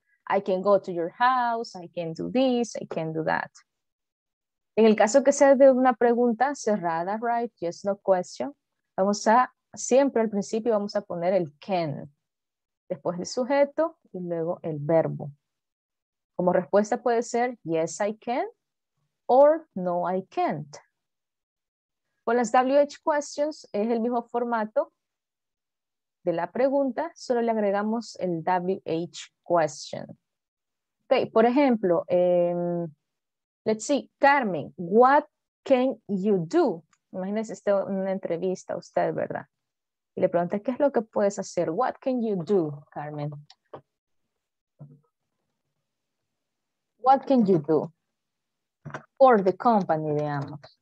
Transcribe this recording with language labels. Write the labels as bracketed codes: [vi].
[en] I can go to your house, I can do this, I can do that. [es] En el caso que sea de una pregunta cerrada, right? [en] Yes, no question. [es] Vamos a, siempre al principio vamos a poner el can. Después el sujeto y luego el verbo. Como respuesta puede ser, [en] yes, I can, or no, I can't. [es] Con las WH questions es el mismo formato de la pregunta, solo le agregamos el WH question. [en] Ok, [es] por ejemplo, [en] let's see, Carmen, what can you do? [es] Imagínense, esta es una entrevista a usted, ¿verdad? Y le pregunta, ¿qué es lo que puedes hacer? [en] What can you do, Carmen? What can you do for the company, digamos?